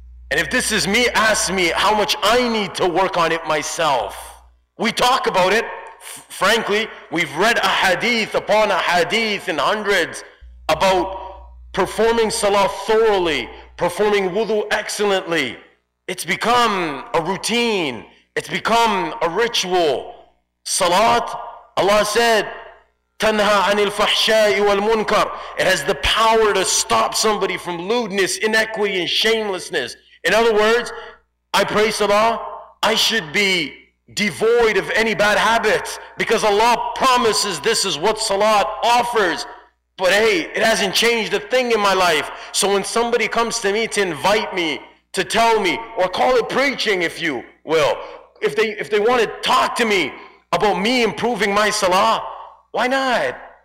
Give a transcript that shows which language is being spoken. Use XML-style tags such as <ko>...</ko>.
<en>And if this is me, ask me how much I need to work on it myself. We talk about it. Frankly, we've read a hadith upon a hadith in hundreds about performing salah thoroughly, performing wudu excellently. It's become a routine. It's become a ritual. Salat, Allah said,</en> <ar>تَنْهَى عَنِ الْفَحْشَاءِ وَالْمُنْكَرِ.</ar> <en>It has the power to stop somebody from lewdness, inequity, and shamelessness. In other words, I pray salah, I should be devoid of any bad habits, because Allah promises this is what salat offers. But hey, it hasn't changed a thing in my life. So when somebody comes to me to invite me, to tell me, or call it preaching if you will, if they want to talk to me about me improving my salah, why not?</en>